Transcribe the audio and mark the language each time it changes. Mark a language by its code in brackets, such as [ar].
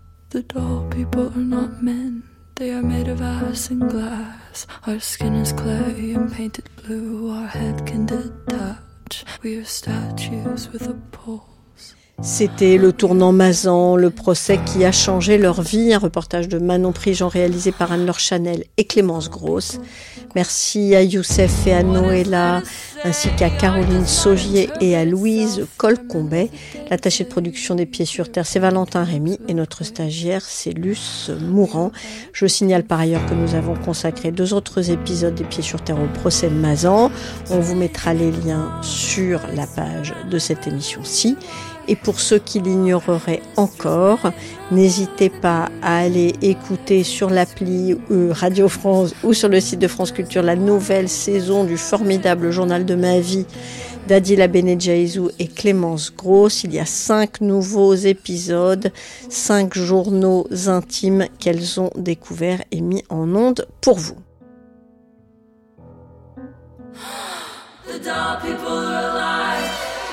[en] The doll people are not men, they are made of ice and glass. Our skin is clay and painted blue, our head can detach. We are statues with a pulse. [fr] C'était le tournant Mazan, le procès qui a changé leur vie, un reportage de Manon Prigent réalisé par Anne-Laure Chanel et Clémence Grosse. Merci à Youssef et à Noëlla, ainsi qu'à Caroline Saugier et à Louise Colcombet. L'attachée de production des Pieds sur Terre, c'est Valentin Rémy et notre stagiaire, c'est Luce Mourant. Je signale par ailleurs que nous avons consacré deux autres épisodes des Pieds sur Terre au procès de Mazan. On vous mettra les liens sur la page de cette émission-ci. Et pour ceux qui l'ignoreraient encore, n'hésitez pas à aller écouter sur l'appli Radio France ou sur le site de France Culture la nouvelle saison du formidable journal de ma vie d'Adila Benedjaizou et Clémence Grosse. Il y a 5 nouveaux épisodes, 5 journaux intimes qu'elles ont découverts et mis en onde pour vous. [en] The doll people are alive.